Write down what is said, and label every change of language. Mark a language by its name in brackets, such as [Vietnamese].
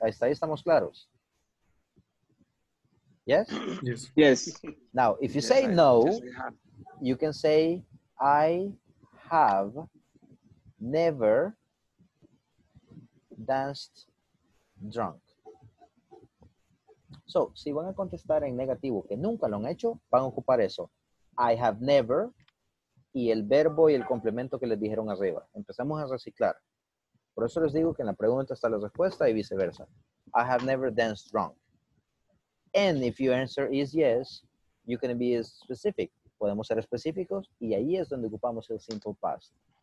[Spanish] Hasta ahí estamos claros. [English] Yes? Yes. Now, if you say no, you can say, I have never danced drunk. [Spanish] So, si van a contestar en negativo, que nunca lo han hecho, van a ocupar eso. [English] I have never, [Spanish] y el verbo y el complemento que les dijeron arriba. Empezamos a reciclar. Por eso les digo que en la pregunta está la respuesta y viceversa. [English] I have never danced drunk. And if your answer is yes, you can be specific. [Spanish] Podemos ser específicos y ahí es donde ocupamos el simple past.